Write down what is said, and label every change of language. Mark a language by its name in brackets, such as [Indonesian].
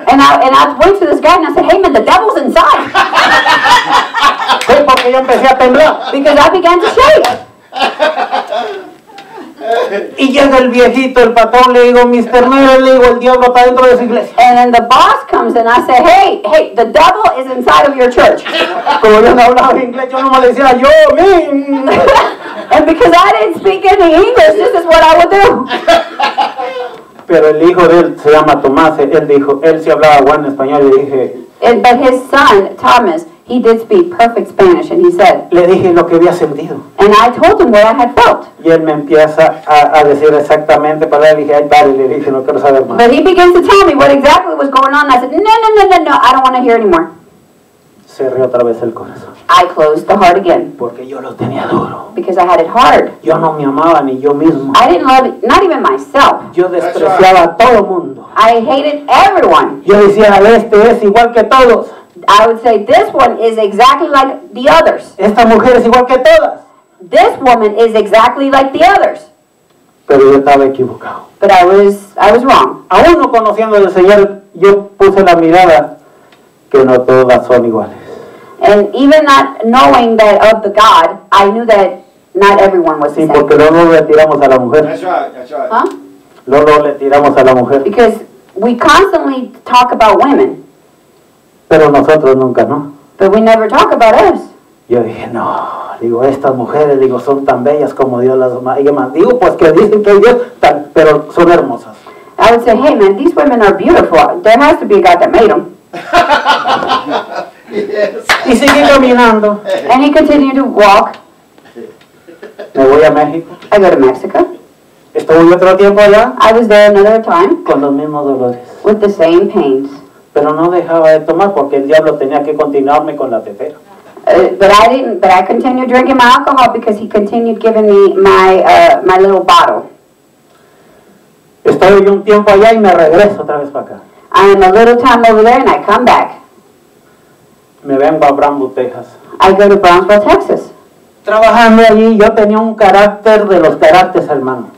[English] And I went to this guy and I said, hey man, the devil's inside. [Spanish] ¿Qué? Porque yo empecé a temblar. [English] Because I began to shake. [Spanish] Y llega el viejito, el patrón, le digo, Mr. Mero, le digo, el diablo está dentro de su iglesia. [English] And then the boss comes and I say, hey, the devil is inside of your church. [Spanish] Como yo no hablaba inglés, yo no me decía, yo, me. [English] And because I didn't speak any English, this is what I would do. [Spanish] Pero el hijo de él se llama Tomás, él dijo, él sí hablaba buen español, y dije. [English] But his son, Thomas, he did speak perfect Spanish, and he said. [Spanish] Le dije lo que había sentido. [English] And I told him what I had felt. [Spanish] Y él me empieza a decir exactamente para él. Y dije, ay, padre, le dije, no quiero saber más. [English] But he begins to tell me what exactly was going on. I said, no, I don't want to hear anymore. [Spanish] Cerré otra vez el corazón. [English] I closed the heart again. [Spanish] Porque yo lo tenía duro. [English] Because I had it hard. [Spanish] Yo no me amaba ni yo mismo. [English] I didn't love it, not even myself. [Spanish] Yo despreciaba a todo mundo. [English] I hated everyone. [Spanish] Yo decía, este es igual que todos. [English] I would say, this one is exactly like the others. [Spanish] Esta mujer es igual que todas. [English] This woman is exactly like the others. [Spanish] Pero yo estaba equivocado. [English] But I was wrong. [Spanish] Aún no conociendo al Señor, yo puse la mirada que no todas son iguales. [English] And even not knowing that of the God, I knew that not everyone was the same. [Spanish] Sí, porque no nos retiramos a la mujer. [English] That's right. [Spanish] Huh? No nos retiramos a la mujer. [English] Because we constantly talk about women. [Spanish] Pero nosotros nunca, ¿no? [English] But we never talk about us. [Spanish] Yo dije, no. Digo, estas mujeres, digo, son tan bellas como Dios las llama. Digo, pues que dicen que Dios, pero son hermosas. [English] I would say, hey man, these women are beautiful. There has to be a God that made them. [Spanish] Yes. Y seguí caminando. [English] And he continued to walk. [Spanish] Me voy a México. [English] I go to Mexico. [Spanish] Estuve otro tiempo allá. [English] I was there another time. [Spanish] Con los mismos dolores. [English] With the same pains. [Spanish] Pero no dejaba de tomar porque el diablo tenía que continuarme con la tetera. [English] But I continued drinking my alcohol because he continued giving me my my little bottle. [Spanish] Estoy un tiempo allá y me regreso otra vez para acá. [English] I'm a little time over there and I come back. [Spanish] Me vengo a Brownsville, Texas. [English] I go to Brownsville, Texas. [Spanish] Trabajando allí, yo tenía un carácter de los carácteres, hermano.